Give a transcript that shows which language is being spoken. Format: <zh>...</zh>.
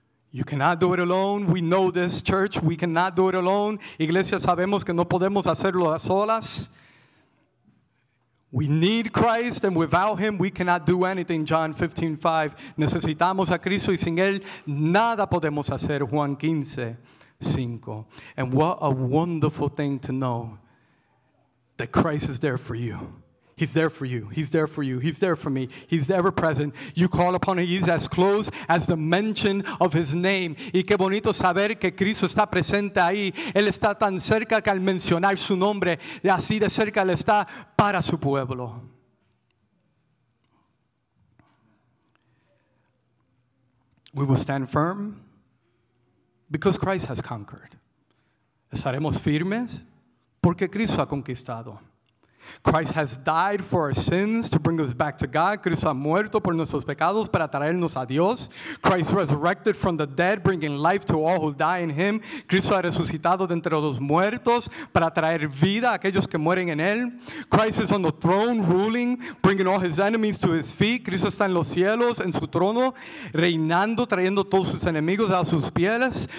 <en>You cannot do it alone. We know this, church. We cannot do it alone.</en> <es>Iglesia, sabemos que no podemos hacerlo a solas.</es> <en>We need Christ, and without him, we cannot do anything, John 15:5.</en> <es>Necesitamos a Cristo, y sin él, nada podemos hacer, Juan 15:5.</es> <en>And what a wonderful thing to know that Christ is there for you. He's there for you. He's there for you. He's there for me. He's ever present. You call upon him. He's as close as the mention of his name.</en> <es>Y qué bonito saber que Cristo está presente ahí. Él está tan cerca que al mencionar su nombre, así de cerca le está para su pueblo.</es> <en>We will stand firm because Christ has conquered.</en> <es>Estaremos firmes porque Cristo ha conquistado.</es> <en>Christ has died for our sins to bring us back to God.</en> <es>Cristo ha muerto por nuestros pecados para traernos a Dios.</es> <en>Christ resurrected from the dead, bringing life to all who die in him.</en> <es>Cristo ha resucitado de entre los muertos para traer vida a aquellos que mueren en él.</es> <en>Christ is on the throne, ruling, bringing all his enemies to his feet.</en> <es>Cristo está en los cielos, en su trono, reinando, trayendo todos sus enemigos a sus pies.</es>